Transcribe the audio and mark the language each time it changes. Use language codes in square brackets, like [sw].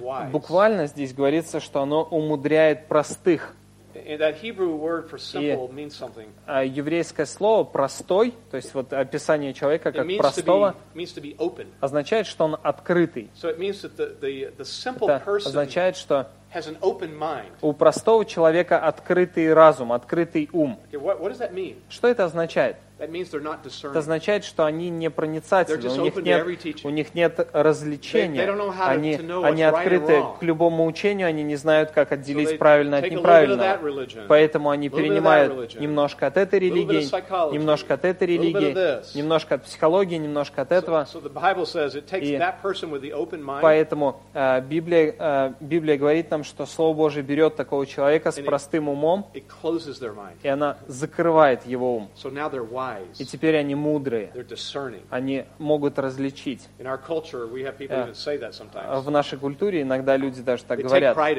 [ru] Буквально здесь говорится, что оно умудряет простых. [en] And that Hebrew word for simple means something. [ru] Еврейское слово простой, то есть вот описание человека как простого, [en] means to be open. [ru] Означает, что он открытый. [en] So it means that the simple person [ru] означает, что [en] has an open mind. [ru] У простого человека открытый разум, открытый ум. [en] Okay, what does that mean? [ru] Что это означает? [en] That means they're not discerning. [ru] Это означает, что они не проницательны. [en] They're just open to every teaching. [ru] У них нет развлечения. [en] They don't know how to know what's right and wrong. [ru] Они открыты к любому учению, они не знают, как отделить правильно от неправильного. Поэтому они перенимают немножко от этой религии, немножко от этой религии, немножко от психологии, немножко от этого. [en] So the Bible says it takes that person with the open mind. [ru] Поэтому Библия говорит нам, что Слово Божие берет такого человека с простым умом, и она закрывает его ум. [en] So now they're wise. [ru] И теперь они мудрые. Они могут различить. В нашей культуре иногда люди даже так говорят.